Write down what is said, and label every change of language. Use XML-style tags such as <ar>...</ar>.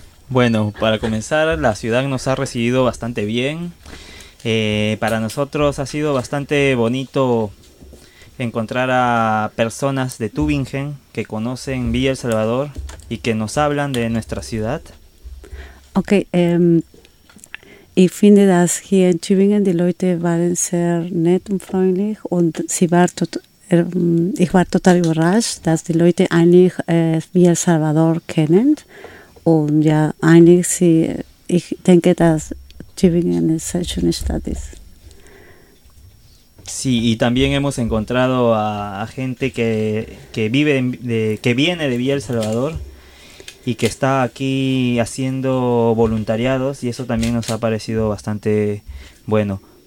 <es>Bueno, para comenzar, la ciudad nos ha recibido bastante bien. Para nosotros ha sido bastante bonito encontrar a personas de Tübingen que conocen Villa El Salvador y que nos hablan de nuestra ciudad.</es> <de>Okay, ich finde, dass hier in Tübingen die Leute waren sehr nett und freundlich und sie war ich war total überrascht, dass die Leute eigentlich Villa El Salvador kennen und ja, eigentlich ich denke, dass Tübingen eine sehr schöne Stadt ist.</de> <es>Sí, y también hemos encontrado a gente que viene de Villa El Salvador y que está aquí haciendo voluntariados y eso también nos ha parecido bastante bueno.</es>